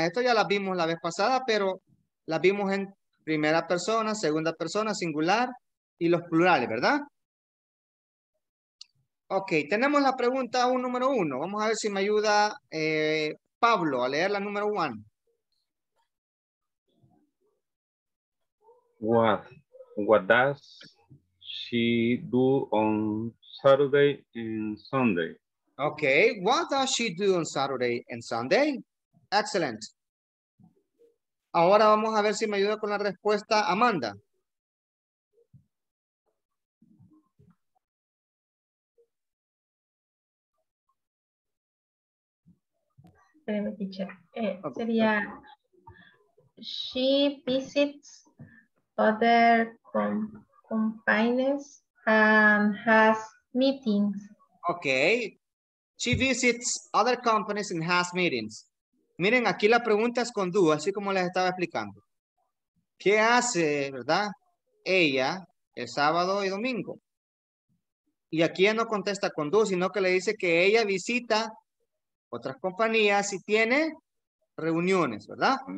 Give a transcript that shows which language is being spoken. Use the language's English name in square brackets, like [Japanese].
[Spanish] Esto ya la vimos la vez pasada, pero la vimos en primera persona, segunda persona, singular y los plurales, ¿verdad? Ok, tenemos la pregunta un número uno. Vamos a ver si me ayuda Pablo a leer la número uno. [English] What does she do on Saturday and Sunday? Okay, what does she do on Saturday and Sunday? Excellent. [Spanish] Ahora vamos a ver si me ayuda con la respuesta Amanda. Espérame, teacher. [English] Sería, she visits other companies and has meetings. Okay. She visits other companies and has meetings. [Spanish] Miren, aquí la pregunta es con duda, así como les estaba explicando. ¿Qué hace, verdad, ella el sábado y domingo? Y aquí ella no contesta con duda, sino que le dice que ella visita otras compañías y tiene reuniones, ¿verdad?